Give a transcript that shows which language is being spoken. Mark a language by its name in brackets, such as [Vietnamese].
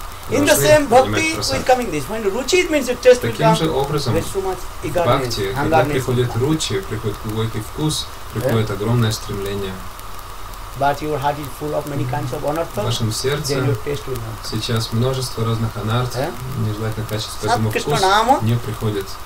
[English] in the same bhakti with coming this, when ruchi means your taste will come. [Russian] Таким же образом, [Sanskrit] bhakti, [Russian] когда приходит ruchi, приходит какой-то вкус, приходит огромное стремление. [English] But your heart is full of many kinds of anartha. [Russian] В вашем сердце сейчас множество разных анарт, нежелательных качеств, поэтому вкус не приходит.